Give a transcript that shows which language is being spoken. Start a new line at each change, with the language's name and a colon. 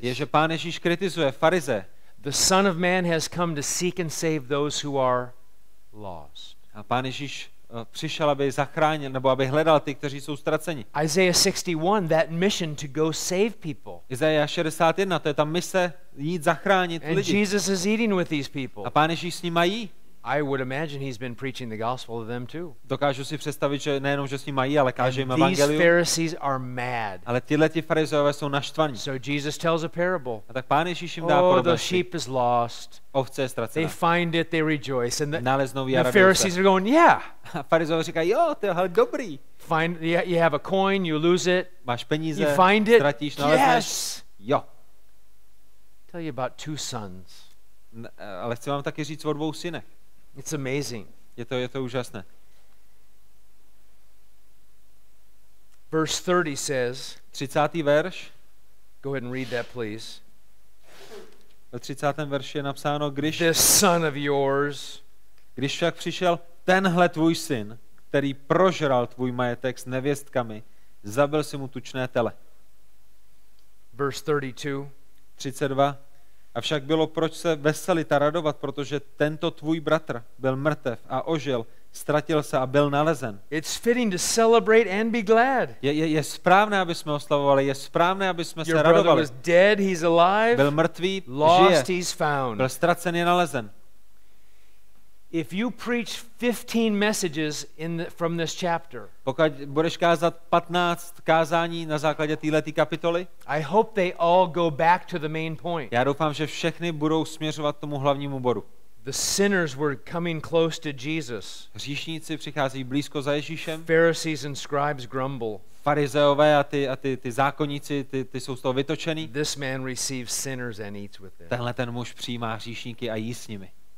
Czech: Je, že Pán Ježíš kritizuje farize.
English: The Son of Man has come to seek and save those who are lost.
Czech: A Pán Ježíš přišel, aby zachránil, nebo aby hledal ty, kteří jsou ztraceni.
English: Isaiah 61, that mission to go save people.
Czech: Isaiah 61, to je ta mise jít zachránit
English: and
Czech: lidi.
English: Jesus is eating with these people.
Czech: A Pán Ježíš s nima jí.
English: I would imagine he's been preaching the gospel to them too.
Czech: Dokážu si představit, že nejenom že s nima jí, ale káže jim evangelium.
English: These Pharisees are mad.
Czech: Ale tyhle ti farizeové jsou naštvaní.
English: So Jesus tells a parable.
Czech: A tak Pán Ježíš jim dá podobenství.
English: The sheep is lost.
Czech: Ovce je ztracená.
English: They find it, they rejoice, and the Pharisees are going, yeah.
Czech: A farizeové říkají, jo, to je dobrý.
English: Find, you have a coin, you lose it.
Czech: Máš peníze,
English: you find it,
Czech: ztratíš, nalezneš.
English: Yes.
Czech: Jo.
English: Tell you about two sons.
Czech: Ale chci vám taky říct o dvou synech.
English: It's amazing.
Czech: Je to úžasné.
English: Verse 30 says.
Czech: 30. verš.
English: Go ahead and read that, please.
Czech: Ve 30. verši je napsáno, když.
English: This son of yours.
Czech: Když však přišel tenhle tvůj syn, který prožral tvůj majetek s nevěstkami, zabil si mu tučné tele.
English: Verse 32.
Czech: 32. Avšak bylo proč se veselit a radovat, protože tento tvůj bratr byl mrtev a ožil, ztratil se a byl nalezen.
English: It's fitting to celebrate and be glad.
Czech: Je správné, aby jsme oslavovali, je správné, aby jsme
English: Your
Czech: se radovali.
English: Was dead, he's alive.
Czech: Byl mrtvý,
English: lost,
Czech: žije.
English: He's found.
Czech: Byl ztracen, je nalezen.
English: If you preach 15 messages from this chapter.
Czech: Pokud budeš kázat 15 kázání na základě této kapitoly.
English: I hope they all go back to the main point.
Czech: Já doufám, že všechny budou směřovat tomu hlavnímu bodu.
English: The sinners were coming close to Jesus.
Czech: Hříšníci přicházejí blízko za Ježíšem.
English: Pharisees and scribes grumble.
Czech: Farizeové a ty zákonníci, ty jsou z toho vytočený.
English: This man receives sinners and eats with them.
Czech: Tenhle ten muž přijímá hříšníky a jí s nimi.